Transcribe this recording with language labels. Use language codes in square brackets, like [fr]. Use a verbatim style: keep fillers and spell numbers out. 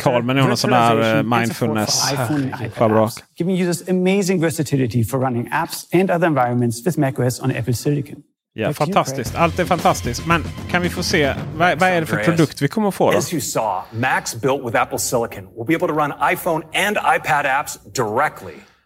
[sv] Calm är någon sån här mindfulness. Vad bra. [en] Giving users amazing versatility for running apps and other environments with macOS on Apple Silicon. [sv] Ja, fantastiskt. Allt är fantastiskt. Men kan vi få se, vad, vad är det för produkt vi kommer att få då? [en] As you saw, Macs built with Apple Silicon will be able to run iPhone and iPad apps directly.